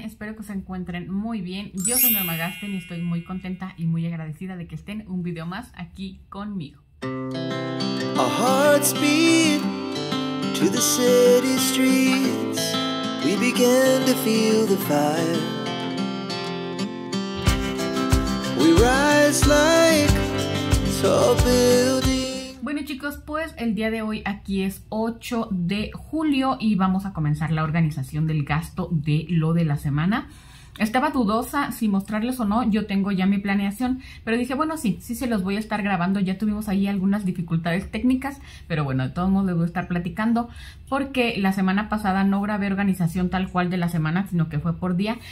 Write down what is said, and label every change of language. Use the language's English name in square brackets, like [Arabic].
[Spanish] Espero que se encuentren muy bien. Yo soy Norma Gasten y estoy muy contenta y muy agradecida de que estén un video más aquí conmigo. [English] Our hearts beat to the city streets. We begin to feel the fire. We rise like tall buildings. [Spanish] Chicos, pues el día de hoy aquí es 8 de julio y vamos a comenzar la organización del gasto de lo de la semana. Estaba dudosa si mostrarles o no, yo tengo ya mi planeación, pero dije, bueno, sí se los voy a estar grabando. Ya tuvimos ahí algunas dificultades técnicas, pero bueno, de todos modos les voy a estar platicando porque la semana pasada no grabé organización tal cual de la semana, sino que fue por día.